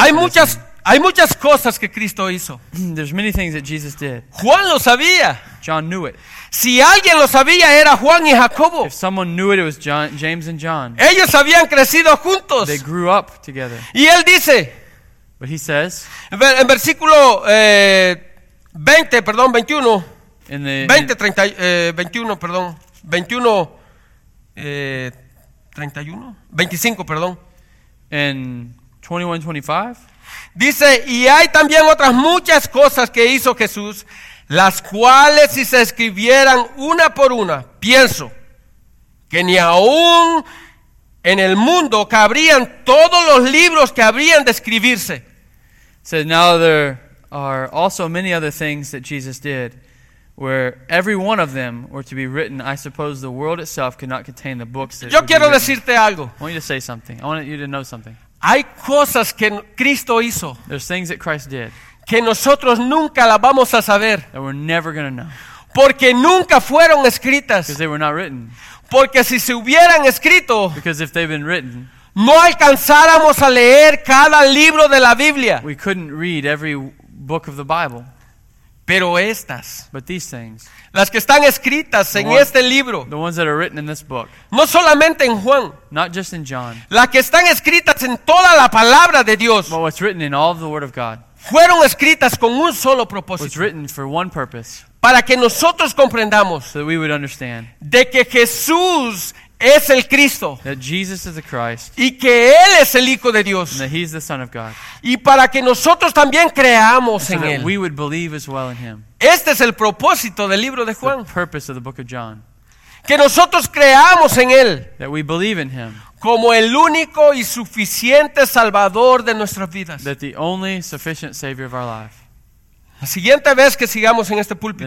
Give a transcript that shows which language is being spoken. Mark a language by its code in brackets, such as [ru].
[es] Hay muchas cosas que Cristo hizo. [en] There's many things that Jesus did. [es] Juan lo sabía. [en] John knew it. [es] Si alguien lo sabía, era Juan y Jacobo. [en] If someone knew it, it was John, James and John. [es] Ellos habían crecido juntos. [en] They grew up together. [es] Y él dice, [en] but he says, [es] en versículo 20, perdón, 21. [en] In the, [es] 20, 30, 21, perdón. 21, 31, 25, perdón. En 21:25. Dice, y hay también otras muchas cosas que hizo Jesús, las cuales si se escribieran una por una, pienso que ni aún en el mundo cabrían todos los libros que habrían de escribirse. [en] So now there are also many other things that Jesus did, where every one of them were to be written, I suppose the world itself could not contain the books that [es] yo quiero decirte algo. [en] I want you to say something. I want you to know something. [es] Hay cosas que Cristo hizo. [en] There's things that Christ did. [es] Que nosotros nunca las vamos a saber. [en] That we're never going to know. [es] Porque nunca fueron escritas. [en] Because they were not written. [es] Porque si se hubieran escrito. [en] Because if they've been written. [es] No alcanzáramos a leer cada libro de la Biblia. [en] We couldn't read every book of the Bible. [es] Pero estas, [en] but these things, [es] las que están escritas en este libro, [en] the ones that are written in this book, [es] no solamente en Juan, [en] not just in John, [es] las que están escritas en toda la palabra de Dios, [en] but what's written in all of the Word of God, [es] fueron escritas con un solo propósito, [en] was written for one purpose, [es] para que nosotros comprendamos, [en] so that we would understand, [es] de que Jesús es el Cristo, [en] that Jesus is the Christ, [es] y que Él es el Hijo de Dios, [en] and that He's the Son of God, [es] y para que nosotros también creamos [en] so [es] en [en] that [es] Él. [en] We would believe as well in Him. [es] Este es el propósito del libro de Juan. [en] The purpose of the book of John. [es] Que nosotros creamos en Él. [en] That we believe in Him. [es] Como el único y suficiente Salvador de nuestras vidas. [en] That the only sufficient Savior of our life. [es] La siguiente vez que sigamos en este púlpito,